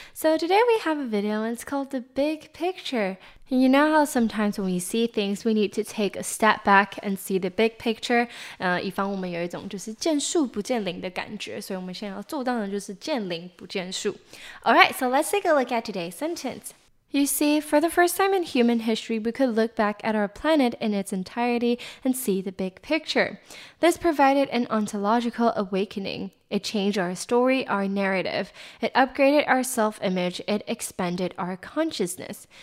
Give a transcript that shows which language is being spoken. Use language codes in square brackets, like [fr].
[en] So today we have a video and it's called The Big Picture. And you know how sometimes when we see things, we need to take a step back and see the big picture. [zh] 以防我们有一种就是见树不见林的感觉，所以我们现在要做到的就是见林不见树。 [en] Alright, so let's take a look at today's sentence. You see, for the first time in human history, we could look back at our planet in its entirety and see the big picture. This provided an ontological awakening. It changed our story, our narrative. It upgraded our self-image. It expanded our consciousness.